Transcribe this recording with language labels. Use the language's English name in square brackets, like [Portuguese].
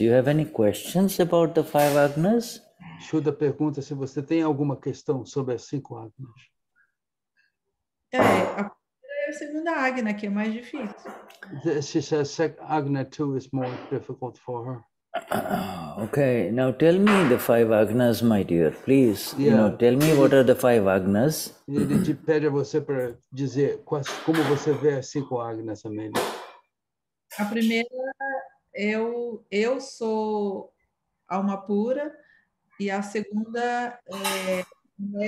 [English] You have any questions about the five agnas? [Portuguese] Shuddha pergunta se você tem alguma questão sobre as cinco agnas. Segunda Agna, que é mais difícil. [English] She says Agna 2 is more difficult for her. Okay, now tell me the five Agnas, my dear, please. Yeah. You know, tell me what are the five Agnas. [Portuguese] Ele te pede a você para dizer como você vê as cinco Agnas, Amélia. A primeira, eu sou alma pura, e a segunda é...